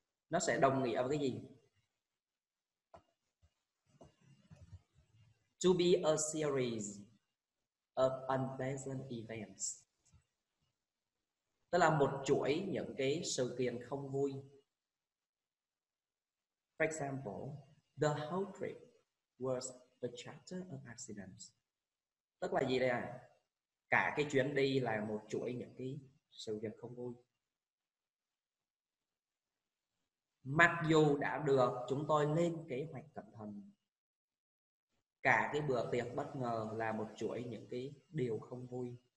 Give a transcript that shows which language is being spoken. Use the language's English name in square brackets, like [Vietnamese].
[Vietnamese] Nó sẽ đồng nghĩa với cái gì? [English] To be a series of unpleasant events. [Vietnamese] Tức là một chuỗi những cái sự kiện không vui. [English] For example, the whole trip was a chapter of accidents. [Vietnamese] Tức là gì đây ạ? À? Cả cái chuyến đi là một chuỗi những cái sự việc không vui. Mặc dù đã được chúng tôi lên kế hoạch cẩn thận, cả cái bữa tiệc bất ngờ là một chuỗi những cái điều không vui.